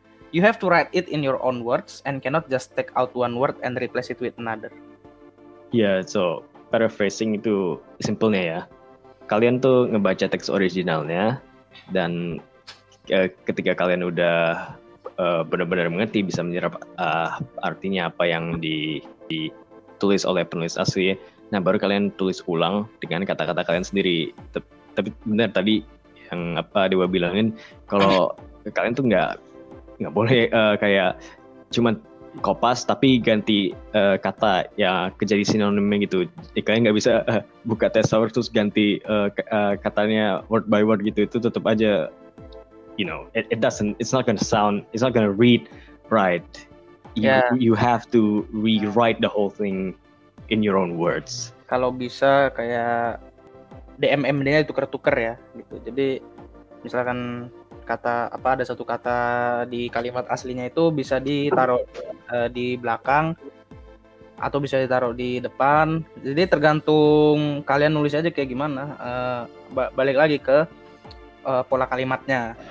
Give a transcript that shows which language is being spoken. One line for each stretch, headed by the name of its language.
English: You have to write it in your own words and cannot just take out one word and replace it with another.
Indonesian: Yeah, so paraphrasing itu simpelnya ya. Kalian tuh ngebaca teks originalnya, dan ketika kalian udah benar-benar mengerti, bisa menyerap artinya apa yang ditulis oleh penulis asli, nah baru kalian tulis ulang dengan kata-kata kalian sendiri. Tapi benar tadi yang apa Dewa bilangin, kalau kalian tuh nggak boleh kayak cuma kopas tapi ganti kata yang kejadi sinonimnya gitu. Jadi kalian nggak bisa buka thesaurus terus ganti katanya
English: word by word
Indonesian: gitu, itu tetap aja,
English: you know, it's not gonna read right. You have to rewrite the whole thing in your own words.
Indonesian: Kalau bisa kayak DMM-nya tuker-tuker ya gitu. Jadi misalkan kata apa, ada satu kata di kalimat aslinya itu bisa ditaruh di belakang atau bisa ditaruh di depan. Jadi tergantung kalian nulis aja kayak gimana. Balik lagi ke pola kalimatnya.